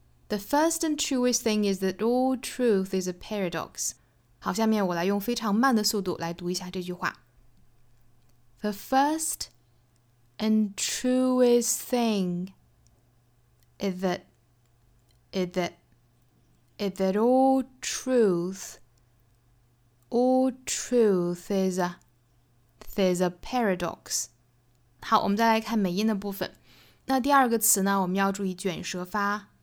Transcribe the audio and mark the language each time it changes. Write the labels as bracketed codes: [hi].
[en] The first and truest thing is that all truth is a paradox. [zh] 好，下面我来用非常慢的速度来读一下这句话。 [en] The first and truest thing is that all truth is a paradox. [zh] 好，我们再来看美音的部分。那第二个词呢，我们要注意卷舌发。